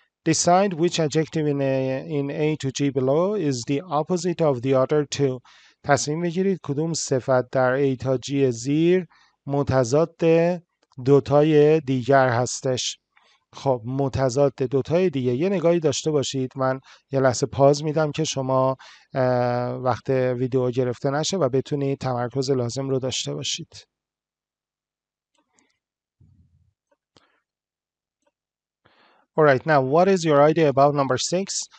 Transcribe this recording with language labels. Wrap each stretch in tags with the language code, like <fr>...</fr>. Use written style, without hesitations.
<en>Decide which adjective in A to G below is the opposite of the other two.</en> <fa>تصمیم بگیرید کدوم صفت در A تا G زیر متضاد دوتای دیگر هستش. خب متضاد دوتای دیگه. یه نگاهی داشته باشید. من یه لحظه پاز میدم که شما وقت ویدیو گرفته نشه و بتونید تمرکز لازم رو داشته باشید.</fa> <en>Alright, now what is your idea about number 6?</en>